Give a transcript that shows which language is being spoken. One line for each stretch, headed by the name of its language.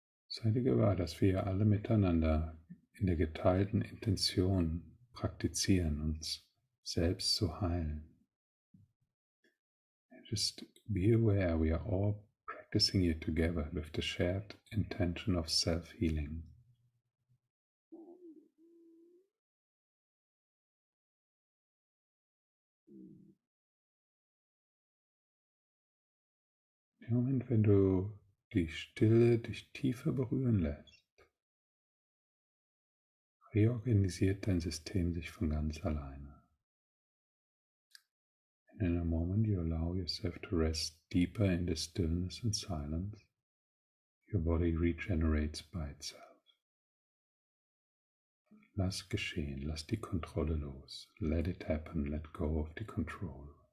German: Sei dir gewahr, dass wir alle miteinander in der geteilten Intention praktizieren, uns selbst zu heilen.
English: Just be aware, we are all practicing it together with the shared intention of self-healing.
German: Im Moment, wenn du die Stille dich tiefer berühren lässt, reorganisiert dein System sich von ganz alleine.
English: In a moment you allow yourself to rest deeper in the stillness and silence, your body regenerates by itself.
German: Lass geschehen, lass die Kontrolle los.
English: Let it happen, let go of the control.